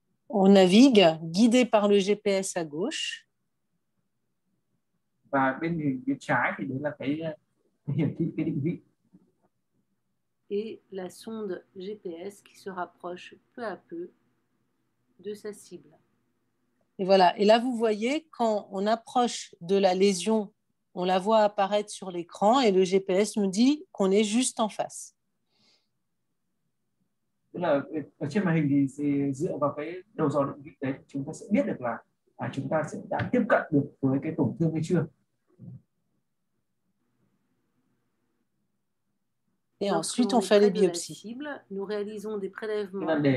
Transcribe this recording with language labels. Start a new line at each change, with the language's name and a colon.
French: On navigue guidé par le GPS à gauche.
Vietnamese: Và bên phía trái thì đấy là cái định vị.
French: Et la sonde GPS qui se rapproche peu à peu de sa cible. Et voilà, et là vous voyez, quand on approche de la lésion, on la voit apparaître sur l'écran et le GPS nous dit qu'on est juste en face.
Vietnamese: Là, ở trên màn hình thì dựa vào cái đầu dò định vị đấy, chúng ta sẽ biết được là chúng ta sẽ đã tiếp cận được với cái tổn thương hay chưa.
French: Et ensuite, on fait les biopsies. Cible, nous réalisons des prélèvements.